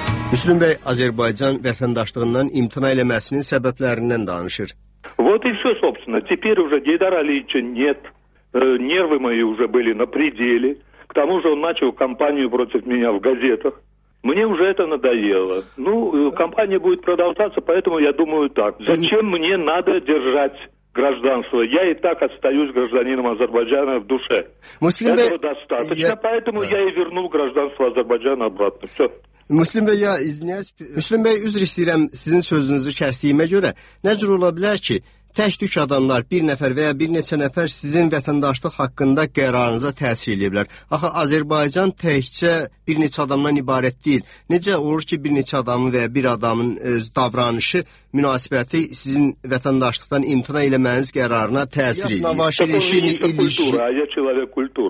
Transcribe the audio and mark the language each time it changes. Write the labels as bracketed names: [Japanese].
[Azerbaijani] Müslüm Bey Azerbaycan vətəndaşlığından imtina eləməsinin səbəblərindən danışır. [Russian] Вот и всё, собственно. Теперь уже Гейдара Алиевича нет. Нервы мои уже были на пределе. К тому же он начал кампанию против меня в газетах. Мне уже это надоело. Ну, кампания будет продолжаться, поэтому я думаю так. Зачем мне надо держать гражданство? Я и так остаюсь гражданином Азербайджана в душе. Муслим Этого Бе... достаточно, я... поэтому да. я и вернул гражданство Азербайджана обратно. Все. [Azerbaijani] Müslüm Bey, ya izniniz. Müslüm Bey, üzr istəyirəm sizin sözünüzü kəsdiyimə görə. Nə cür ola bilər ki, tək-tük adamlar, bir nəfər və ya bir neçə nəfər sizin vətəndaşlıq haqqında qərarınıza təsir edə bilər? Axı, Azərbaycan təkcə bir neçə adamdan ibarət deyil. Necə olur ki, bir neçə adamın və ya bir adamın öz davranışı, münasibəti sizin vətəndaşlıqdan imtina eləməniz qərarına təsir edir? Yaxın, Avaşir, eşin, illişi...